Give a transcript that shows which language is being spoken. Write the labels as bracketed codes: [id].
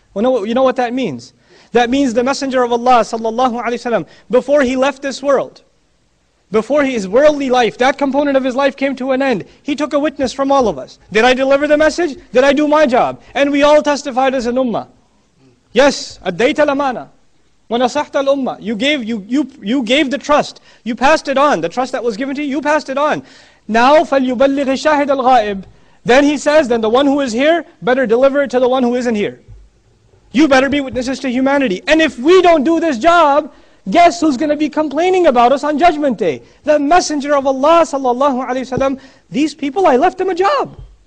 [en] You know what that means? That means the messenger of Allah, sallallahu alayhi wasalam, before he left this world, before his worldly life, that component of his life came to an end, he took a witness from all of us. Did I deliver the message? Did I do my job? And we all testified as an ummah. Yes, [ar] addayta al-amana. Wa nasahta al-ummah. [en] You gave the trust. You passed it on. The trust that was given to you, you passed it on. Now, [ar] فَلْيُبَلِّغِ الشَّاهِدَ الْغَائِبِ. [en] Then he says, then the one who is here, better deliver it to the one who isn't here. You better be witnesses to humanity. And if we don't do this job, guess who's going to be complaining about us on Judgment Day? The Messenger of Allah sallallahu alayhi wa sallam. These people, I left them a job.